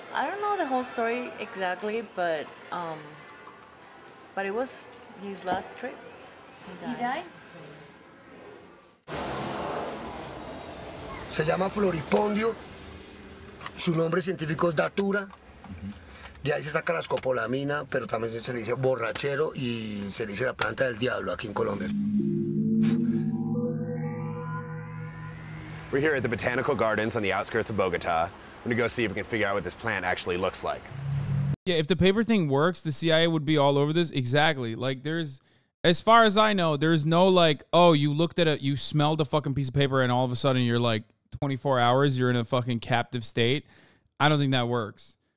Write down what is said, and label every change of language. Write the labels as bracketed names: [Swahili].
[English] I don't know the whole story exactly, but it was his last trip. He died. [Spanish] Se llama floripondio, su nombre científico es datura, de ahí se saca la escopolamina, pero también se le dice borrachero y se le dice la planta del diablo aquí en Colombia. [English] We're here at the Botanical Gardens on the outskirts of Bogota. We're going to go see if we can figure out what this plant actually looks like. Yeah, if the paper thing works, the CIA would be all over this. Exactly. Like, as far as I know, there's no like, oh, you smelled a fucking piece of paper and all of a sudden you're like, 24 hours, you're in a fucking captive state. I don't think that works.